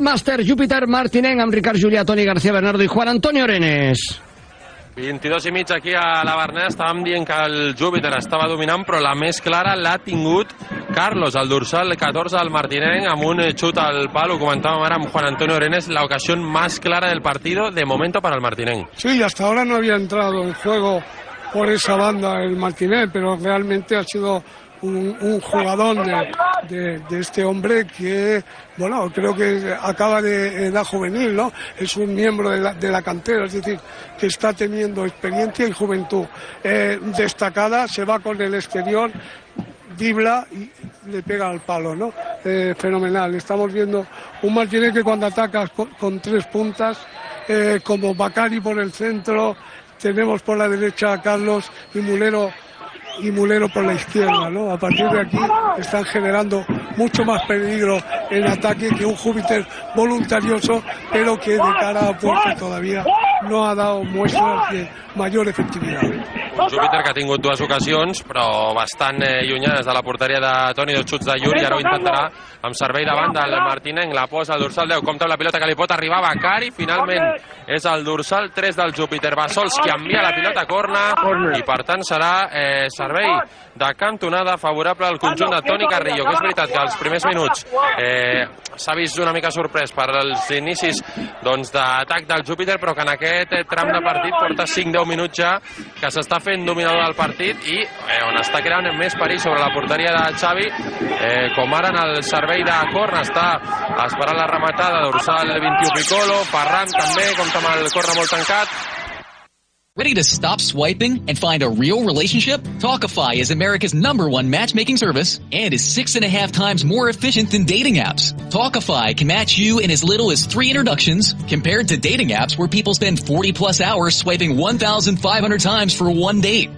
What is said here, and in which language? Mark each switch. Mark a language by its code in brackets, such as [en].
[ca] Màster Júpiter Martinenc amb Ricard Julià, Toni García Bernardo i Juan Antonio Orenes. 22 i mig aquí a la Verneda, estàvem dient que el Júpiter estava dominant, però la més clara l'ha tingut Carlos, el dorsal 14 del Martinenc, amb un xut al pal, ho comentàvem ara amb Juan Antonio Orenes, l'ocasió més clara del [es] partido de momento [ca] per al Martinenc. [es] Sí, i hasta ahora no havia entrado en juego por esa banda el Martinenc, però realmente ha sido un jugador de este hombre que, bueno, creo que acaba de edad juvenil, ¿no? Es un miembro de la cantera, es decir, que está teniendo experiencia y juventud destacada, se va con el exterior, dribla y le pega al palo, ¿no? Fenomenal, estamos viendo un Martínez que cuando ataca con tres puntas, como Bacari por el centro, tenemos por la derecha a Carlos y Mulero por la izquierda, ¿no? A partir de aquí están generando mucho más peligro en ataque que un Júpiter voluntarioso, pero que de cara a puerta todavía no ha dado muestras de mayor efectividad. [ca] Un Júpiter que ha tingut dues ocasions, però bastant lluny des de la porteria de Toni, dos xuts de Llull, i ara ho intentarà amb servei de banda el Martinenc, la posa al dorsal 10, compta amb la pilota que li pot arribar a Bacari, finalment és el dorsal 3 del Júpiter, Bassols qui envia la pilota a corna, i per tant serà servei de cantonada favorable al conjunt de Toni Carrillo, que és veritat que els primers minuts s'ha vist una mica sorprès per els inicis d'atac del Júpiter, però que en aquest tram de partit porta 5-10 minuts ja, que s'està fent dominador del partit i on està creant més perill sobre la porteria de Xavi, com ara en el servei de corna, està esperant la rematada dorsal 21 Piccolo, Ferran també, compta amb el corna molt tancat. [en] Ready to stop swiping and find a real relationship? Talkify is America's number one matchmaking service and is 6.5 times more efficient than dating apps. Talkify can match you in as little as 3 introductions compared to dating apps where people spend 40 plus hours swiping 1,500 times for one date.